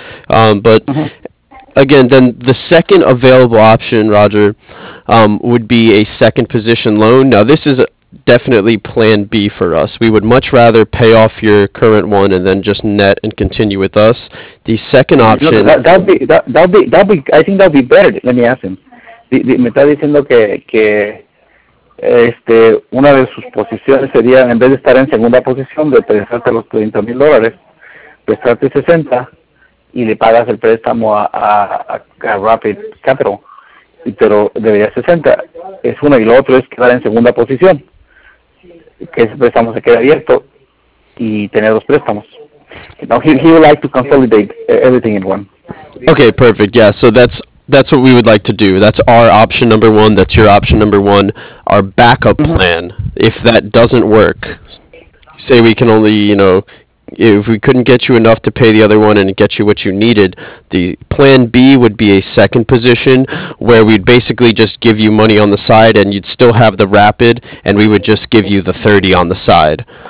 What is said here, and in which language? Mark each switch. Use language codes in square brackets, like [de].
[en] But mm-hmm. again, then the second available option, Roger, would be a second position loan. Now, this is definitely plan B for us. We would much rather pay off your current one and then just net and continue with us. The second option... That'd be I think that'd be better. Let me ask him. [es] Me está diciendo que este, una de sus posiciones sería, en vez de estar en segunda posición, de prestarte los $30,000, prestarte 60 y le pagas el préstamo a Rapid Capital, pero debería 60. Es uno, y lo otro es quedar en segunda posición, que ese préstamo se quede abierto y tener dos préstamos. [en] Now he would like to consolidate everything in one. Okay, perfect. Yeah, so that's what we would like to do. That's our option number one. That's your option number one. Our backup mm-hmm. plan, if that doesn't work, say we can only, you know, if we couldn't get you enough to pay the other one and get you what you needed, the plan B would be a second position where we'd basically just give you money on the side and you'd still have the Rapid and we would just give you the 30 on the side.